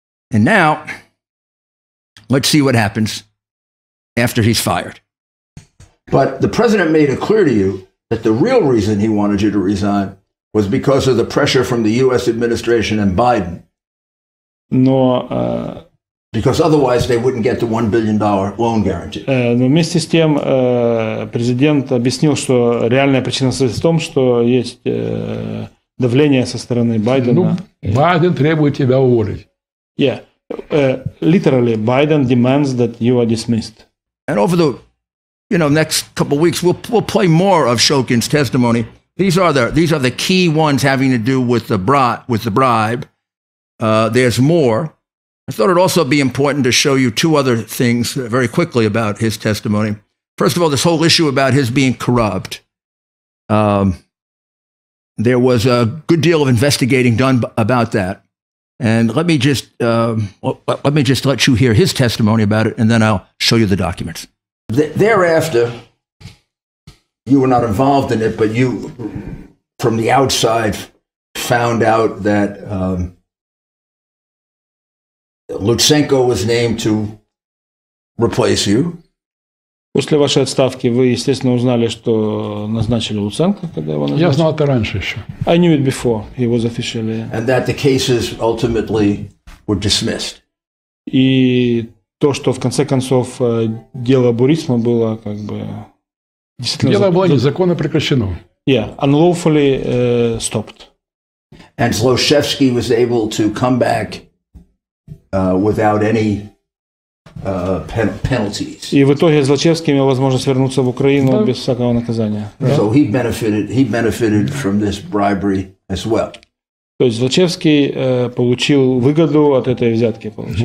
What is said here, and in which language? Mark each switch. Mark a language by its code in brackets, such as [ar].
[en] And now, let's see what happens after he's fired. But the president made it clear to you that the real reason he wanted you to resign was because of the pressure from the U.S. administration and Biden. [ru] Но, [en] because otherwise they wouldn't get the $1 billion loan guarantee. [ru] Но вместе с тем президент объяснил, что реальная причина состоит в том, что есть давление со стороны Байдена. Ну, Байден требует тебя уволить. [en] Yeah. Literally, Biden demands that you are dismissed. And over the next couple of weeks, we'll play more of Shokin's testimony. These are the key ones having to do with the bribe. There's more. I thought it'd also be important to show you two other things very quickly about his testimony. First of all, this whole issue about his being corrupt. There was a good deal of investigating done about that. And let me just let you hear his testimony about it, and then I'll show you the documents. Thereafter, you were not involved in it, but you, from the outside, found out that Lutsenko was named to replace you. [ru] После вашей отставки вы, естественно, узнали, что назначили Луценко, когда его назначили. Я знал это раньше еще. [en] I knew it before he was officially. And that the cases ultimately were dismissed. [ru] И то, что в конце концов дело Бурисма было как бы. Действительно, дело было незаконно прекращено. [en] Yeah, unlawfully stopped. And Zloshevsky was able to come back without any. Penalties. [ru] И в итоге Злачевский имел возможность вернуться в Украину без всякого наказания. [en] So he benefited from this bribery as well. [ru] То есть Злачевский получил выгоду от этой взятки, получил.